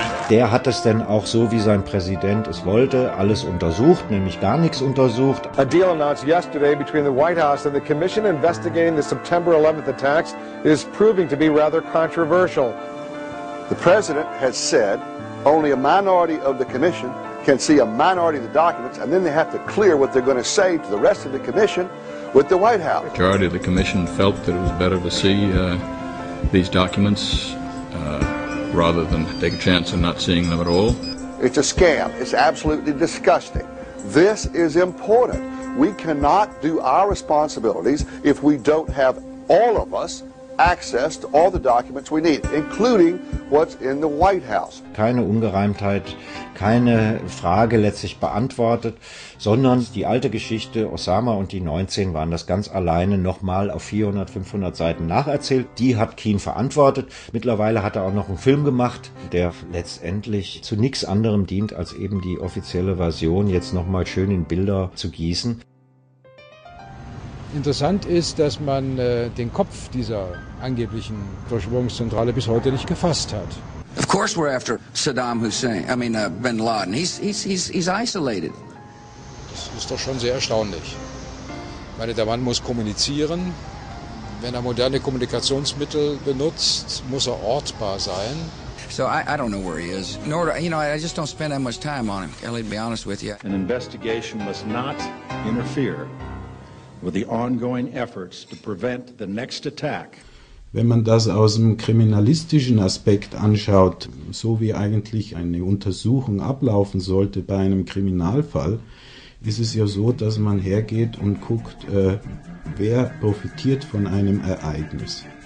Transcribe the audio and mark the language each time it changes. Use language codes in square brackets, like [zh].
[de] Der hat es denn auch so, wie sein Präsident es wollte, alles untersucht, nämlich gar nichts untersucht. [en] A deal announced yesterday between the White House and the commission investigating the September 11th attacks is proving to be rather controversial. The president has said only a minority of the commission can see a minority of the documents, and then they have to clear what they're going to say to the rest of the commission with the White House. The majority of the commission felt that it was better to see these documents rather than take a chance of not seeing them at all. It's a scam. It's absolutely disgusting. This is important. We cannot do our responsibilities if we don't have all of us access to all the documents we need, including what's in the White House. [de] Keine Ungereimtheit, keine Frage letztlich beantwortet, sondern die alte Geschichte, Osama und die 19 waren das ganz alleine nochmal auf 400, 500 Seiten nacherzählt. Die hat Keane verantwortet. Mittlerweile hat er auch noch einen Film gemacht, der letztendlich zu nichts anderem dient, als eben die offizielle Version jetzt nochmal schön in Bilder zu gießen. Interessant ist, dass man den Kopf dieser angeblichen Verschwörungszentrale bis heute nicht gefasst hat. [en] Of course we're after Saddam Hussein. I mean Bin Laden. He's isolated. [de] Das ist doch schon sehr erstaunlich. Ich meine, der Mann muss kommunizieren. Wenn er moderne Kommunikationsmittel benutzt, muss er ortbar sein. [en] So I don't know where he is. Nor do, you know, I just don't spend that much time on him. I'll be honest with you. An investigation must not interfere with the ongoing efforts to prevent the next attack. [de] Wenn man das aus dem kriminalistischen Aspekt anschaut, so wie eigentlich eine Untersuchung ablaufen sollte bei einem Kriminalfall, ist es ja so, dass man hergeht und guckt, wer profitiert von einem Ereignis.